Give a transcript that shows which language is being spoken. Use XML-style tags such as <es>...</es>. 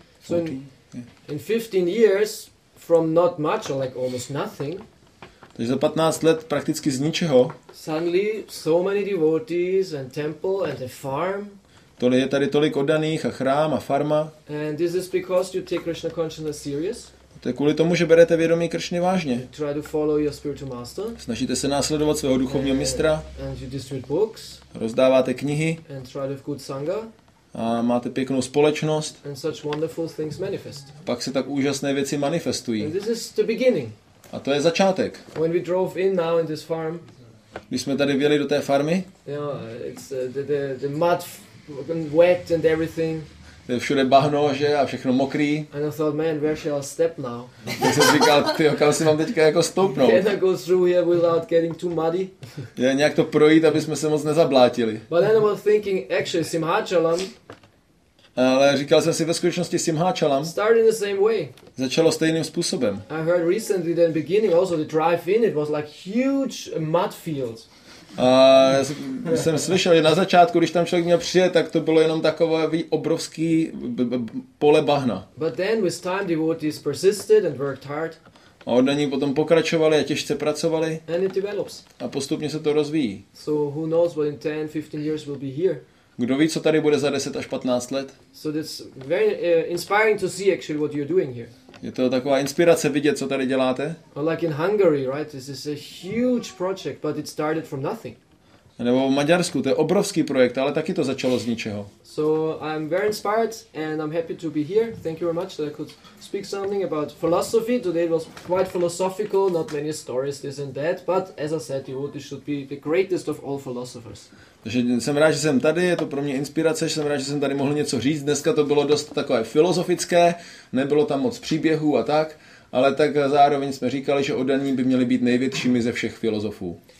<en>14, so in 15 years from not much or like almost nothing.</en> <cs>Takže za 15 let prakticky z ničeho.</cs> <en>Suddenly so many devotees and temple and a farm.</en> <cs>Tady je tady tolik oddaných a chrám a farma.</cs> <en>And this is because you take Krishna consciousness serious.</en> <cs>To je kvůli tomu, že berete vědomí Kršny vážně.</cs> <en>Try to follow your spiritual master.</en> <cs>Snažíte se následovat svého duchovního mistra.</cs> <en>And you distribute books.</en> <cs>Rozdáváte knihy.</cs> <en>And try to have good sangha.</en> <cs>A máte pěknou společnost.</cs> <en>And such wonderful things manifest.</en> <cs>A pak se tak úžasné věci manifestují.</cs> <en>And this is the beginning.</en> <cs>A to je začátek.</cs> <en>When we drove in now in this farm.</en> <cs>Když jsme tady vjeli do té farmy.</cs> <en>Yeah, it's the mud and wet and everything.</en> <cs>Je všude bahno, že? A všechno mokrý.</cs> <en>And I thought, man, where shall I step now?</en> <cs>Já jsem říkal, tyjo, kam si mám teďka jako stoupnout?</cs> <en>Can I go through here without getting too muddy?</en> <cs>Já nějak to projít, aby jsme se moc nezablátili.</cs> <en>But then I was thinking, actually, Simhachalam.</en> <cs>Ale říkal jsem si ve skutečnosti Simhachalam.</cs> <en>Started in the same way.</en> <cs>Začalo stejným způsobem.</cs> <en>I heard recently the beginning, also the drive-in, it was like huge mud field.</en> <cs>A já jsem slyšel, že na začátku, když tam člověk měl přijet, tak to bylo jenom takové obrovské pole bahna.</cs> <en>But then with time devotees persisted and worked hard.</en> <cs>A oddaní potom pokračovali a těžce pracovali.</cs> <en>And it develops.</en> <cs>A postupně se to rozvíjí.</cs> <en>So who knows what in 10-15 years will be here.</en> <cs>Kdo ví, co tady bude za 10 až 15 let?</cs> <en>So that's very inspiring to see actually what you're doing here.</en> <cs>Je to taková inspirace vidět, co tady děláte.</cs> <en>Or like in Hungary, right? This is a huge project, but it started from nothing.</en> <cs>Nebo v Maďarsku, to je obrovský projekt, ale taky to začalo z ničeho.</cs> <en>So I'm very inspired and I'm happy to be here. Thank you very much that I could speak something about philosophy. Today it was quite philosophical, not many stories, this and that. But as I said, devotees should be the greatest of all philosophers.</en> <cs>Takže jsem rád, že jsem tady, je to pro mě inspirace, že jsem rád, že jsem tady mohl něco říct. Dneska to bylo dost takové filozofické, nebylo tam moc příběhů a tak. Ale tak zároveň jsme říkali, že oddaní by měli být největšími ze všech filozofů.</cs>